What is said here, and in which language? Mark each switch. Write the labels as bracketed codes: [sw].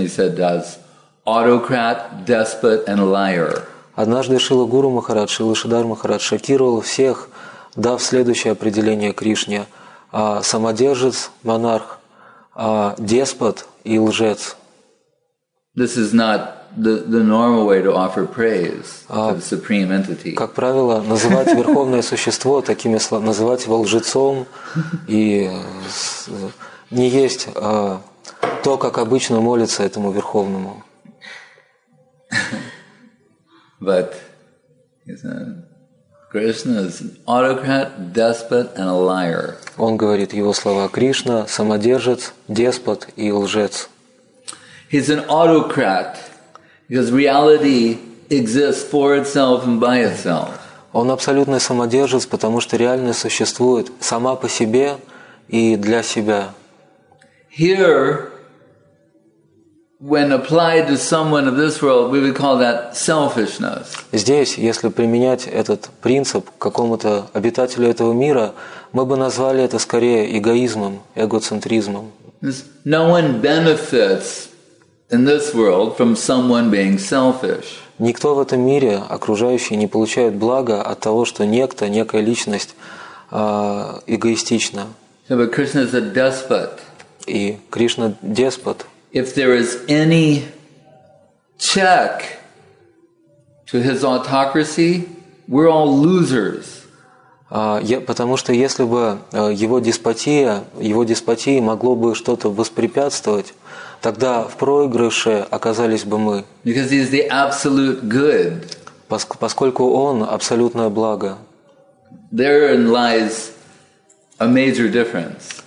[en] He said, "As autocrat, despot, and liar." [ru] Однажды Шрила Гуру Махарадж, Шрила Шридхар Махарадж шокировал всех, дав следующее определение Кришне: самодержец, монарх, деспот и лжец. [en] This is not the normal way to offer praise to the supreme entity. [ru] Как правило, называть верховное существо такими словами, называть его лжецом и не есть то, как обычно молится этому верховному. [en] But Krishna is an autocrat, despot, and a liar. [ru] Он говорит его слова: Кришна самодержец, деспот и лжец. [en] He's an autocrat because reality exists for itself and by itself. [ru] Он абсолютный самодержец, потому что реальность существует сама по себе и для себя. [en] Here, when applied to someone of this world, we would call that selfishness. [ru] Здесь, если применять этот принцип к какому-то обитателю этого мира, мы бы назвали это скорее эгоизмом, эгоцентризмом. [en] No one benefits in this world from someone being selfish. [ru] Никто в этом мире, окружающие, не получает блага от того, что некто, некая личность эгоистична. [en] So, but Krishna is a despot. [ru] И Кришна деспот. [en] If there is any check to his autocracy, we're all losers. [ru] Потому что если бы его деспотии могло бы что-то воспрепятствовать, тогда в проигрыше оказались бы мы. [en] Because he is the absolute good. [ru] Поскольку он абсолютное благо. [en] Therein lies a major difference.